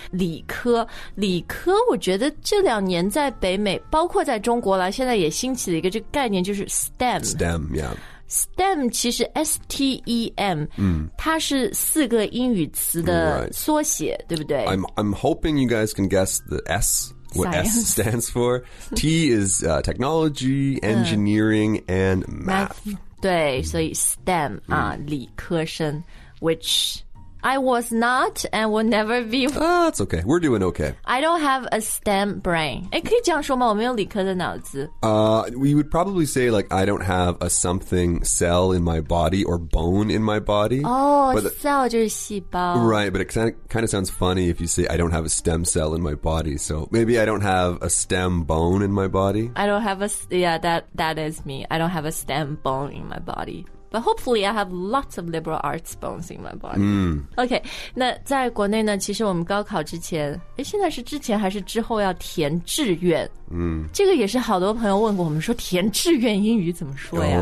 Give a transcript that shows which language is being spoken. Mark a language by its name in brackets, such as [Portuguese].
[Chinese] 理科，我觉得这两年在北美，包括在中国了，现在也兴起了一个这个概念，就是 STEM。 [English] STEM， yeah。 [Chinese] STEM 其实 STEM、嗯、它是四个英语词的缩写、 [English] right. [Chinese] 对不对 [English] I'm hoping you guys can guess the S what、 Science. S stands for T is、technology engineering、嗯、and math [Chinese] 对、嗯、所以 STEM、啊嗯、理科生 [English] which I was not and will never be That's okay we're doing okay I don't have a STEM brain [Chinese] 诶可以这样说吗我没有理科的脑子 [English] We would probably say like I don't have a something cell in my body or bone in my body [Chinese] Oh, cell 就是细胞 [English] Right, but it kind of sounds funny if you say I don't have a stem cell in my body So maybe I don't have a stem bone in my body I don't have a, yeah, that is me I don't have a stem bone in my bodyBut hopefully I have lots of liberal arts bones in my body.、 Mm. [Chinese] Okay, 那在国内呢其实我们高考之前诶现在是之前还是之后要填志愿、 mm. 这个也是好多朋友问过我们说填志愿英语怎么说呀、